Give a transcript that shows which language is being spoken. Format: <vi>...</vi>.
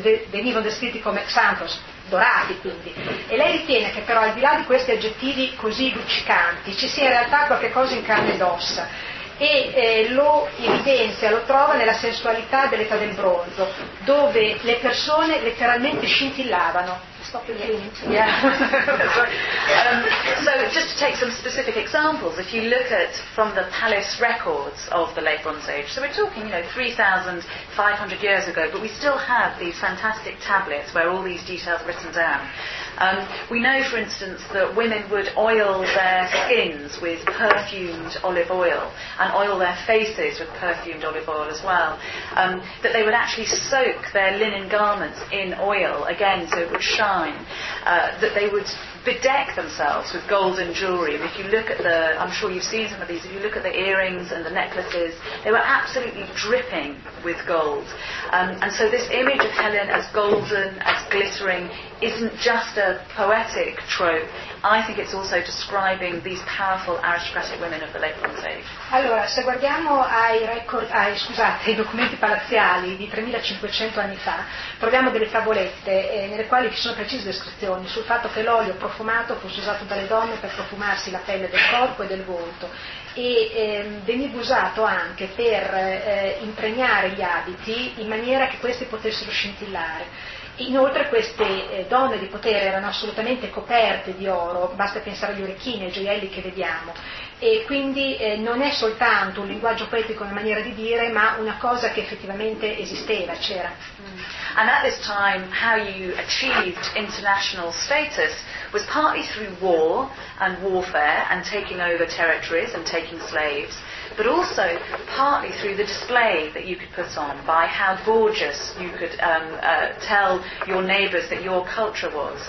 <it>venivano descritti come xanthos, dorati quindi, e lei ritiene che però al di là di questi aggettivi così luccicanti ci sia in realtà qualche cosa in carne ed ossa, e lo evidenzia, lo trova nella sensualità dell'età del bronzo, dove le persone letteralmente scintillavano.</it> <en>So just to take some specific examples, if you look at from the palace records of the late Bronze Age, so we're talking, you know, 3,500 years ago, but we still have these fantastic tablets where all these details are written down. We know, for instance, that women would oil their skins with perfumed olive oil and oil their faces with perfumed olive oil as well, that they would actually soak their linen garments in oil, again, so it would shine, that they would bedeck themselves with golden jewellery. And if you look at I'm sure you've seen some of these, if you look at the earrings and the necklaces, they were absolutely dripping with gold. And so this image of Helen as golden, as glittering, isn't just a poetic trope. I think it's also describing these powerful aristocratic women of the late Bronze Age.</en> <it>Allora, se guardiamo ai record, ai documenti palaziali di 3500 anni fa, troviamo delle favolette nelle quali ci sono precise descrizioni sul fatto che l'olio profumato fosse usato dalle donne per profumarsi la pelle del corpo e del volto. E veniva usato anche per impregnare gli abiti in maniera che questi potessero scintillare. Inoltre queste donne di potere erano assolutamente coperte di oro, basta pensare agli orecchini, ai gioielli che vediamo, e quindi non è soltanto un linguaggio poetico, una maniera di dire, ma una cosa che effettivamente esisteva, c'era.</it> <en>And at this time how you achieved international status was partly through war and warfare and taking over territories and taking slaves, but also partly through the display that you could put on by how gorgeous you could tell your neighbours that your culture was.</en>